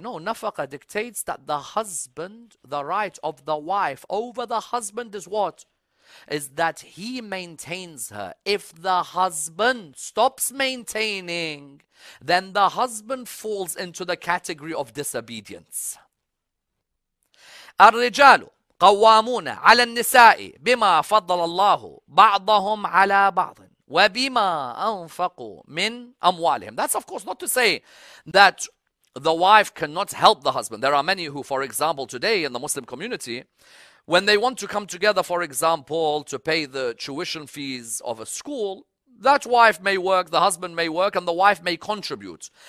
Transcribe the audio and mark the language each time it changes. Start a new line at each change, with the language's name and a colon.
English: No, nafaqah dictates that the husband, the right of the wife over the husband is what? Is that he maintains her. If the husband stops maintaining, then the husband falls into the category of disobedience.
Arabic: الرجال قوامون على النساء بما فضل الله بعضهم على بعض وبما أنفقوا من أموالهم.
English: That's of course not to say that the wife cannot help the husband. There are many who, for example, today in the Muslim community, when they want to come together, for example, to pay the tuition fees of a school, That wife may work, the husband may work, and the wife may contribute.